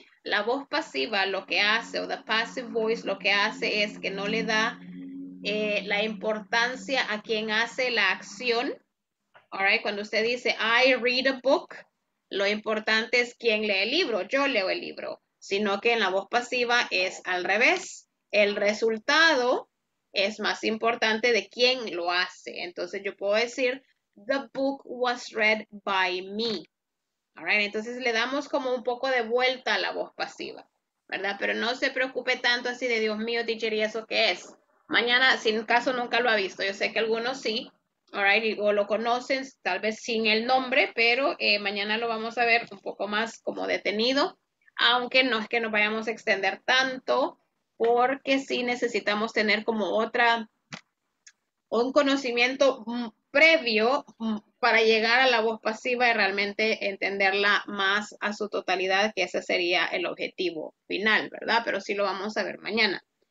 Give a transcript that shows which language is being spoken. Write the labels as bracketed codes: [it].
[es] La voz pasiva lo que hace, o the passive voice lo que hace es que no le da la importancia a quien hace la acción. All right, cuando usted dice, [en] I read a book, [es] lo importante es quién lee el libro, yo leo el libro. Sino que en la voz pasiva es al revés. El resultado es más importante de quién lo hace. [en] Entonces yo puedo decir, the book was read by me. [es] All right, entonces le damos como un poco de vuelta a la voz pasiva, ¿verdad? Pero no se preocupe tanto así de, Dios mío, teacher, ¿y eso qué es? Mañana, sin caso, nunca lo ha visto. Yo sé que algunos sí, all right, o lo conocen, tal vez sin el nombre, pero mañana lo vamos a ver un poco más como detenido, aunque no es que nos vayamos a extender tanto, porque sí necesitamos tener como otra, un conocimiento previo para llegar a la voz pasiva y realmente entenderla más a su totalidad, que ese sería el objetivo final, ¿verdad? Pero sí lo vamos a ver mañana.